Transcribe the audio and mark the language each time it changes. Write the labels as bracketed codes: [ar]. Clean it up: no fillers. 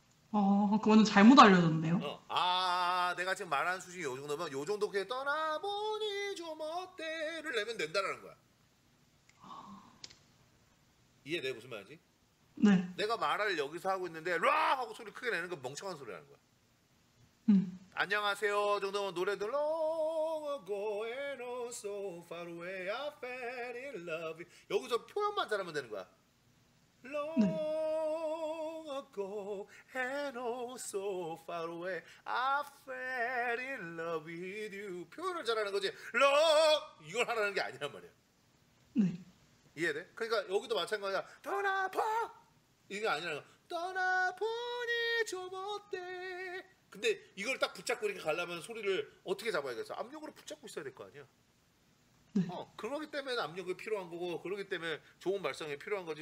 [ko] 그거는 잘못 알려줬네요. 아, 내가 지금 말하는 수준이 요 정도면 요 정도까지 떠나보니 좀 어때를 내면 된다라는 거야. 이해돼? 무슨 말인지? 내가 말을 여기서 하고 있는데 락 하고 소리 크게 내는 건 멍청한 소리 하는 거야. 안녕하세요 정도면 노래 들 [en] Long ago and oh so far away I fell in love with you. [ko] 여기서 표현만 잘하면 되는 거야. [en] Long ago and oh so far away I fell in love with you. [ko] 표현을 잘하는 거지. Long 이걸 하라는 게 아니란 말이야. 이해돼? 그러니까 여기도 마찬가지야. 돌아봐 이게 아니라 떠나보니 좀 어때. 근데 이걸 딱 붙잡고 이렇게 가려면 소리를 어떻게 잡아야겠어? 압력으로 붙잡고 있어야 될거 아니야. 그러기 때문에 압력이 필요한 거고, 그러기 때문에 좋은 발성이 필요한 거지.